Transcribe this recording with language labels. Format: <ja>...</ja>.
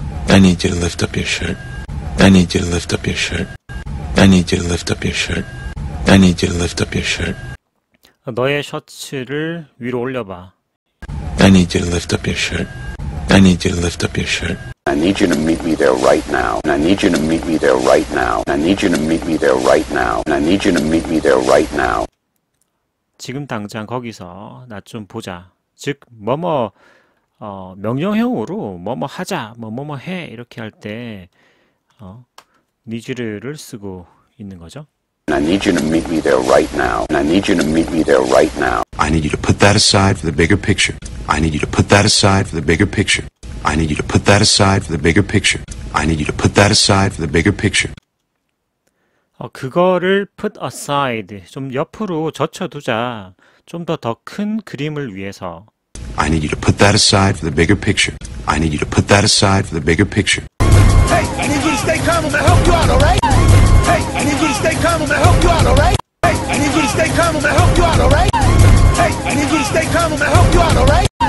<en>I need you to lift up your shirt. I need you to lift up your shirt. I need you to lift up your shirt. I need you to lift up your shirt.</en> <ko>너의 셔츠를 위로 올려봐.</ko> <en>I need you to lift up your shirt. I need you to lift up your shirt. I need you to meet me there right now. I need you to meet me there right now. I need you to meet me there right now. I need you to meet me there right now.</en> <ko>지금 당장 거기서 나좀 보자. 즉, 뭐뭐, 명령형으로 뭐뭐 하자, 뭐뭐뭐 해 이렇게 할 때, need를 쓰고 있는 거죠.</ko> <en>I need you to meet me there right now. I need you to meet me there right now. I need you to put that aside for the bigger picture. I need you to put that aside for the bigger picture. I need you to put that aside for the bigger picture. I need you to put that aside for the bigger picture.</en> <ko>그거를</ko> <en>put aside,</en> <ko>좀 옆으로 젖혀두자. 좀더더큰 그림을 위해서.</ko> <en>I need you to put that aside for the bigger picture. I need you to put that aside for the bigger picture. Hey, I need you to stay calm. I'm gonna help you out, all right? Hey, I need you to stay calm. I'm gonna help you out, all right? Hey, I need you to stay calm. I'm gonna help you out, all right? Hey, I need you to stay calm. I'm gonna help you out, all right?</en>